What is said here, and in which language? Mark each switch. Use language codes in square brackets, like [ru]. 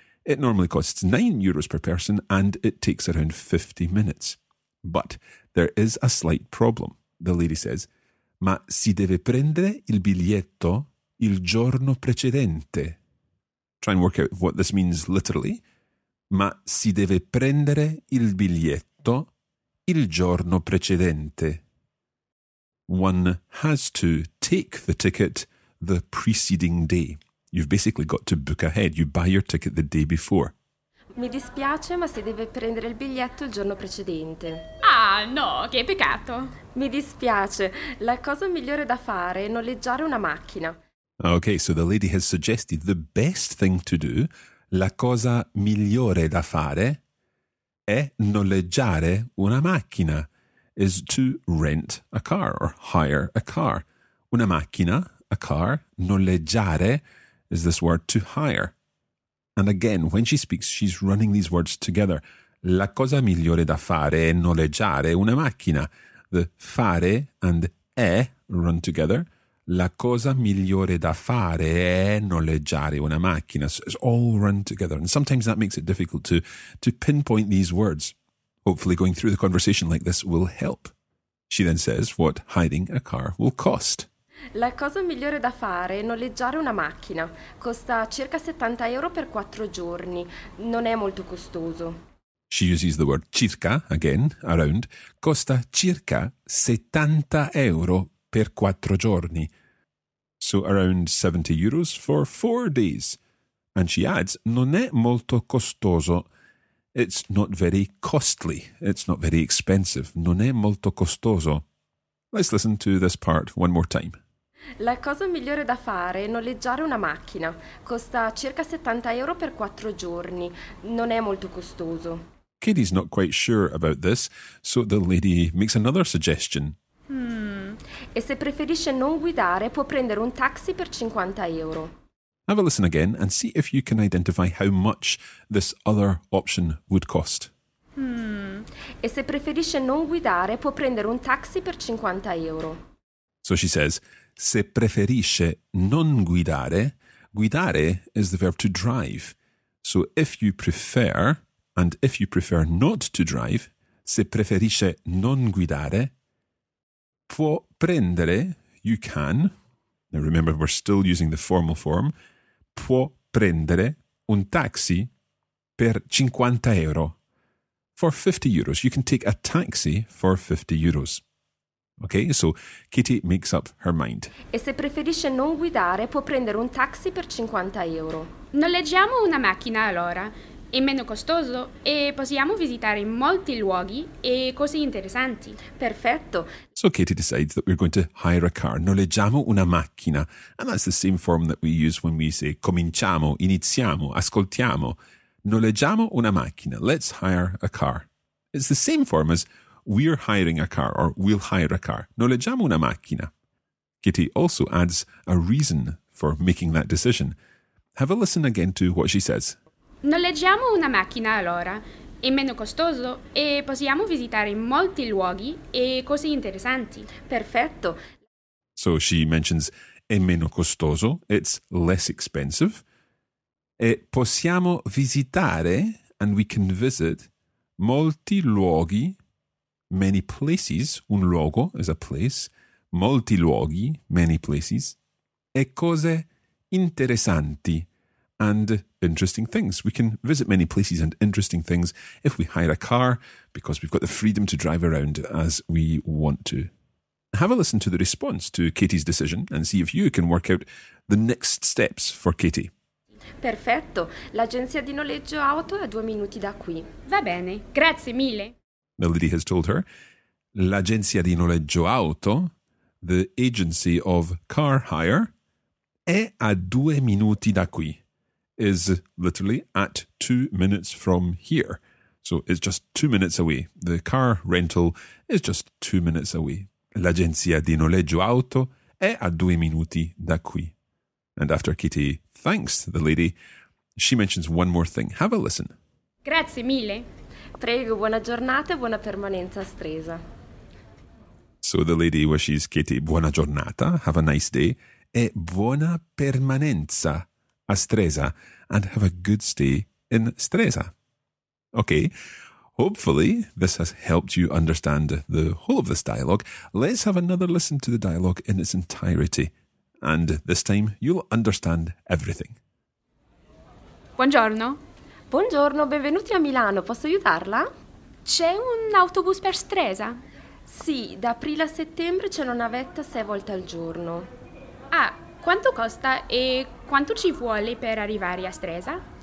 [en] It normally costs 9 euros per person and it takes around 50 minutes. But there is a slight problem. The lady says, [it] ma si deve prendere il biglietto il giorno precedente. [en] Try and work out what this means literally. [it] Ma si deve prendere il biglietto il giorno precedente. [en] One has to take the ticket the preceding day. You've basically got to book ahead. You buy your ticket the day before. [it] Mi dispiace, ma si deve prendere il biglietto il giorno precedente. Ah, no, che peccato. Mi dispiace. La cosa migliore da fare è noleggiare una macchina. [en] Okay, so the lady has suggested the best thing to do, [it] la cosa migliore da fare, è noleggiare una macchina, [en] is to rent a car or hire a car. [it] Una macchina, [en] a car, [it] noleggiare, [en] is this word to hire. And again, when she speaks, she's running these words together. [it] La cosa migliore da fare è noleggiare una macchina. [en] The fare and è run together. [it] La cosa migliore da fare è noleggiare una macchina. [en] So it's all run together. And sometimes that makes it difficult to pinpoint these words. Hopefully going through the conversation like this will help. She then says what hiring a car will cost. [it] La cosa migliore da fare è noleggiare una macchina. Costa circa 70 euro per 4 giorni. Non è molto costoso. [en] She uses the word circa, again, around. [it] Costa circa 70 euro per 4 giorni. [en] So around 70 euros for 4 days. And she adds, [it] non è molto costoso. [en] It's not very costly. It's not very expensive. [it] Non è molto costoso. [en] Let's listen to this part one more time. [it] La cosa migliore da fare è noleggiare una macchina. Costa circa 70 euro per 4 giorni. Non è molto costoso. [en] Katie's not quite sure about this, so the lady makes another suggestion. [it] E se preferisce non guidare, può prendere un taxi per 50 euro. [en] Have a listen again and see if you can identify how much this other option would cost. [it] E se preferisce non guidare, può prendere un taxi per 50 euro. [en] So she says, [it] se preferisce non guidare, guidare [en] is the verb to drive. So if you prefer, and if you prefer not to drive, [it] se preferisce non guidare, può prendere, [en] you can. Now remember, we're still using the formal form. [it] Può prendere un taxi per 50 euro. [en] For 50 euros. You can take a taxi for 50 euros. Okay, so Katie makes up her mind. [it] E se preferisce non guidare, può prendere un taxi per 50 euro. Noleggiamo una macchina allora. È meno costoso e possiamo visitare molti luoghi e cose interessanti. Perfetto. [en] So Katie decides that we're going to hire a car. [it] Noleggiamo una macchina. [en] And that's the same form that we use when we say [it] cominciamo, iniziamo, ascoltiamo. Noleggiamo una macchina. [en] Let's hire a car. It's the same form as we're hiring a car or we'll hire a car. [it] Noleggiamo una macchina. [en] Katie also adds a reason for making that decision. Have a listen again to what she says. [it] Noleggiamo una macchina allora. È meno costoso e possiamo visitare molti luoghi e cose interessanti. Perfetto. [en] So she mentions [it] è meno costoso, [en] it's less expensive. [it] E possiamo visitare, [en] and we can visit, [it] molti luoghi, [en] many places. [it] Un luogo [en] is a place. [it] Molti luoghi, [en] many places. [it] E cose interessanti. [en] And interesting things. We can visit many places and interesting things if we hire a car, because we've got the freedom to drive around as we want to. Have a listen to the response to Katie's decision and see if you can work out the next steps for Katie. [it] Perfetto. L'agenzia di noleggio auto è a 2 minuti da qui. Va bene. Grazie mille. [en] The lady has told her, [it] l'agenzia di noleggio auto, [en] the agency of car hire, [it] è a 2 minuti da qui. [en] Is literally at 2 minutes from here. So it's just 2 minutes away. The car rental is just 2 minutes away. [it] L'agenzia di noleggio auto è a 2 minuti da qui. [en] And after Kitty thanks the lady, she mentions one more thing. Have a listen. [it] Grazie mille. Prego, buona giornata e buona permanenza a Stresa. [en] So the lady wishes Kitty [it] buona giornata, [en] have a nice day, [it] e buona permanenza a Stresa, [en] and have a good stay in Stresa. Okay, hopefully this has helped you understand the whole of this dialogue. Let's have another listen to the dialogue in its entirety, and this time you'll understand everything. [it] Buongiorno. Buongiorno, benvenuti a Milano, posso aiutarla? C'è un autobus per Stresa? Sì, da aprile a settembre c'è una navetta 6 volte al giorno. Ah, quanto costa e quanto ci vuole per arrivare a Stresa?